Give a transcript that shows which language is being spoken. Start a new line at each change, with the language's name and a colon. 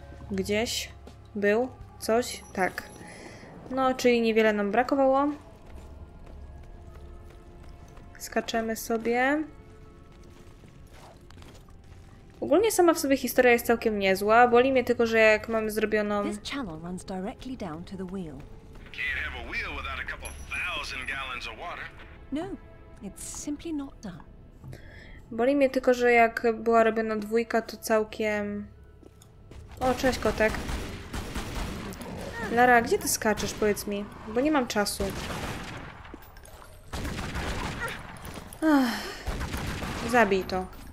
Polish: Gdzieś był coś? Tak. No, czyli niewiele nam brakowało. Skaczemy sobie. Ogólnie sama w sobie historia jest całkiem niezła. Boli mnie tylko, że jak mamy zrobioną...
English: This channel runs directly down to the wheel. Can't have a wheel without a couple thousand gallons of water. No, it's simply not done.
Polish: Boli mnie tylko, że jak była robiona dwójka, to całkiem... O, cześć kotek. Lara, gdzie ty skaczesz, powiedz mi? Bo nie mam czasu. Ach, zabij to.